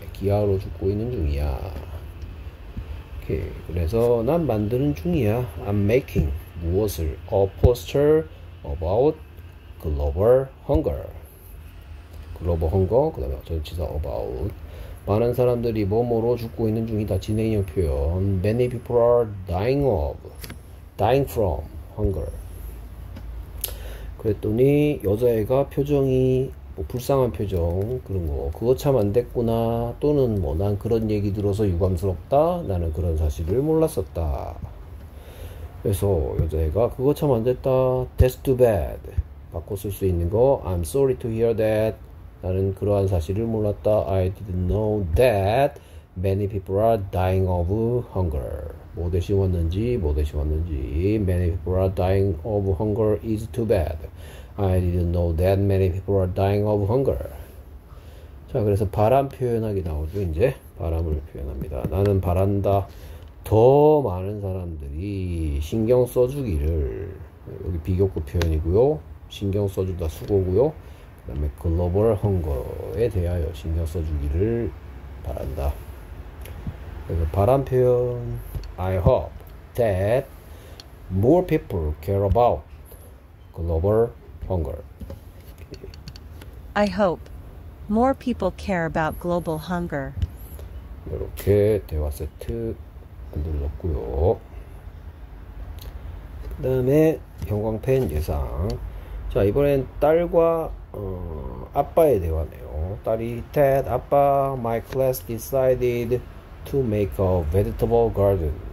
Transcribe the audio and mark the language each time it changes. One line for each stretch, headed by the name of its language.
Korean: 기아로 죽고 있는 중이야. 오케이. 그래서 난 만드는 중이야.
English: I'm making
Korean: 무엇을?
English: A poster about global hunger. Global hunger.
Korean: 그다음에 전치사 about. 많은 사람들이 뭐뭐로 죽고 있는 중이다. 진행형 표현.
English: Many people are dying of, dying from hunger.
Korean: 그랬더니 여자애가 표정이 뭐 불쌍한 표정 그런 거 그거 참안 됐구나 또는 뭐난 그런 얘기 들어서 유감스럽다 나는 그런 사실을 몰랐었다 그래서 여자애가 그거 참안 됐다
English: That's too bad
Korean: 바꿔 쓸수 있는 거
English: I'm sorry to hear that
Korean: 나는 그러한 사실을 몰랐다
English: I didn't know that many people are dying of hunger
Korean: 뭐 대신 왔는지 뭐 대신 왔는지
English: Many people are dying of hunger is too bad I didn't know that many people are dying of hunger.
Korean: 자, 그래서 바람 표현하기 나오죠, 이제. 바람을 표현합니다. 나는 바란다. 더 많은 사람들이 신경 써주기를. 여기 비교급 표현이고요. 신경 써준다 수고고요. 그다음에 글로벌 헝거에 대하여 신경 써주기를 바란다. 그래서 바람 표현.
English: I hope that more people care about global Hunger. I hope more people care about global hunger.
Korean: 이렇게 대화 세트 만들었고요. 그다음에 형광펜 예상. 자, 이번엔 딸과 아빠의 대화네요. 딸이
English: Dad, 아빠, my class decided to make a vegetable garden.